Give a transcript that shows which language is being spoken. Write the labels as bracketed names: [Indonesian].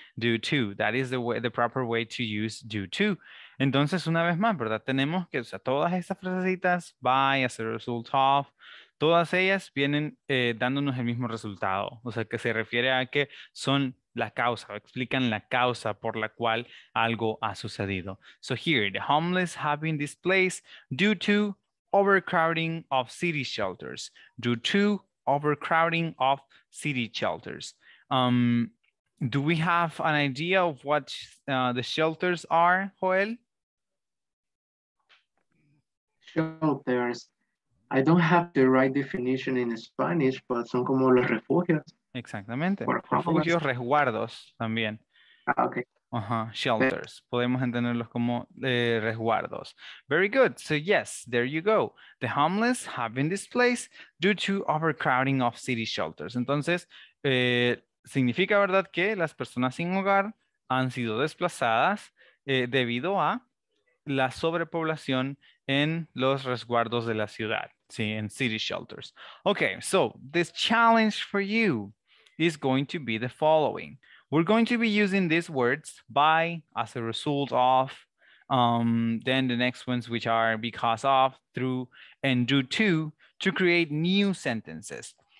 [English] Due to, that is the way, the proper way to use due to. [Spanish] Entonces, una vez más, ¿verdad? Tenemos que, o sea, todas estas frasecitas, by, [English] as a result of, [Spanish] todas ellas vienen dándonos el mismo resultado. O sea, que se refiere a que son la causa, o explican la causa por la cual algo ha sucedido. [English] So here, the homeless have been displaced due to overcrowding of city shelters. Due to overcrowding of city shelters. Do we have an idea of what the shelters are, Joel? Shelters. I don't have the right definition in Spanish, but [Spanish] son como los refugios. Exactamente. Refugios, resguardos también. [English] Ah, okay. [Spanish] Shelters. Podemos entenderlos como resguardos. [English] Very good. So yes, there you go. The homeless have been displaced due to overcrowding of city shelters. [Spanish] Entonces, significa, ¿verdad?, que las personas sin hogar han sido desplazadas debido a la sobrepoblación en los resguardos de la ciudad, sí, en city shelters. [English] Okay, so this challenge for you is going to be the following. We're going to be using these words, by, as a result of, then the next ones, which are because of, through, and due to create new sentences.